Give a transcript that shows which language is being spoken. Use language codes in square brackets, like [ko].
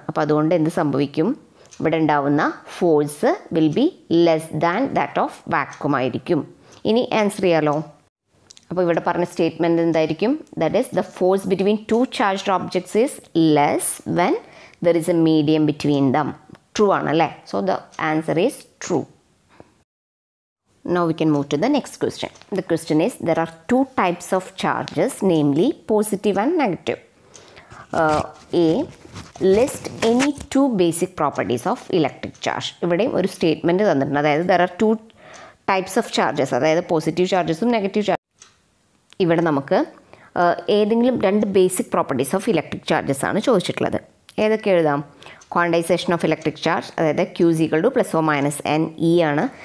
[ml] അപ്പോൾ അതുകൊണ്ട് എന്ത് സംഭവിക്കും, ഇവിടെ ഉണ്ടാവുന്ന [en] force will be less than that of vacuum [ml] ആയിരിക്കും. ഇനി ആൻസർ ചെയ്യാലോ. അപ്പോൾ ഇവിടെ പറഞ്ഞ സ്റ്റേറ്റ്മെൻറ്റ് എന്തായിരിക്കും, [en] That is the force between two charged objects is less when there is a medium between them. True [ml] ആണല്ലേ, [en] So the answer is true. Now we can move to the next question. The question is, there are two types of charges, namely positive and negative. A, list any two basic properties of electric charge. [ml] ഇവിടെയും ഒരു statement തന്നിട്ടുണ്ട്, അതായത് [en] there are two types of charges, [ml] അതായത് positive ചാർജസും negative charge. ഇവിടെ നമുക്ക് ഏതെങ്കിലും രണ്ട് [en] basic properties of electric charges [ml] ആണ് ചോദിച്ചിട്ടുള്ളത്. ഏതൊക്കെ എഴുതാം, [en] quantisation of electric charge, [ml] അതായത് ക്യൂസികൾ two plus or minus N E ആണ്.